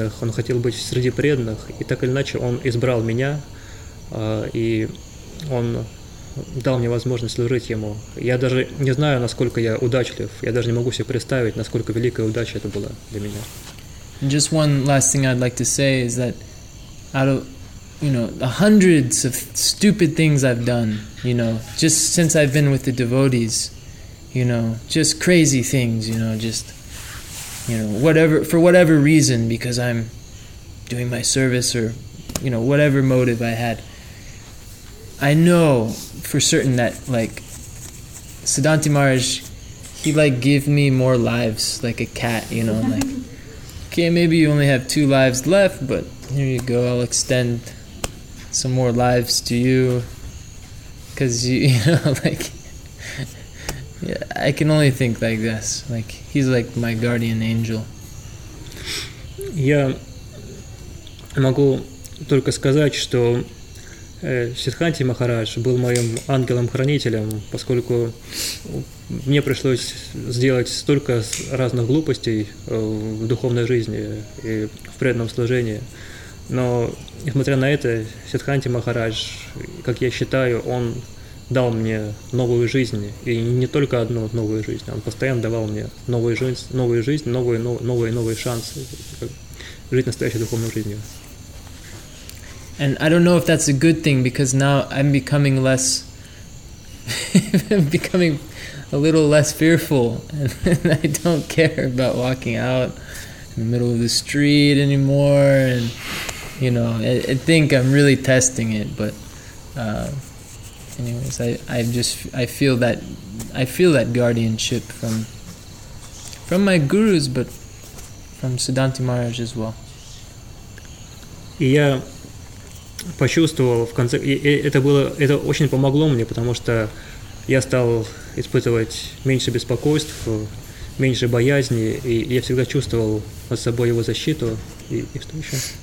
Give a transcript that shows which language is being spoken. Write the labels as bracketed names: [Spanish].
[Russian] Он хотел быть среди преданных. И так или иначе, он избрал меня, и он дал мне возможность служить ему. Я даже не знаю, насколько я удачлив. Я даже не могу себе представить, насколько великая удача это была для меня. [English] And just one last thing I'd like to say is that you know, the hundreds of stupid things I've done, you know, just since I've been with the devotees, you know, just crazy things, you know, just, you know, whatever, for whatever reason, because I'm doing my service or, you know, whatever motive I had. I know for certain that, like, Siddhanti Maharaj, he, like, gave me more lives, like a cat, you know, like, okay, maybe you only have 2 lives left, but here you go, I'll extend some more lives to you, because I can only think like this, like he's like my guardian angel. [Russian] Я могу только сказать, что Сиддханте Махарадж был моим ангелом-хранителем, поскольку мне пришлось сделать столько разных глупостей в духовной жизни и в преданном служении. Но, несмотря на это, Сиддханте Махарадж, как я считаю, он дал мне новую жизнь, и не только одну новую жизнь, он постоянно давал мне новые шансы жить настоящей духовной жизнью. [English] And I don't know if that's a good thing, because now I'm becoming less becoming a little less fearful, and I don't care about walking out in the middle of the street anymore, and you know, I think I'm really testing it, but anyways, I feel that guardianship from my gurus, but from Siddhanti Maharaj as well. [Russian] И я почувствовал в конце, это очень помогло мне, потому что я стал испытывать меньше беспокойств, меньше боязни, и я всегда чувствовал под собой его защиту. И что еще?